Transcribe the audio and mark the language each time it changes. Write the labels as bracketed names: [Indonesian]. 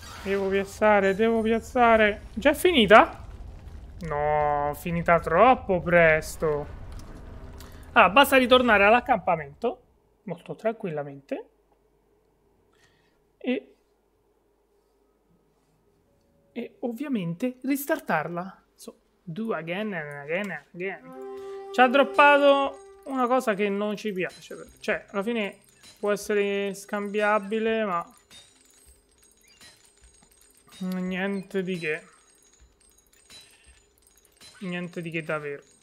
[Italian] Devo piazzare. Già finita? No, finita troppo presto. Allora, basta ritornare all'accampamento, molto tranquillamente. E ovviamente ristartarla. [English] So, do again and again and again. [Italian] Ci ha droppato una cosa che non ci piace. Cioè, alla fine può essere scambiabile, ma niente di che davvero.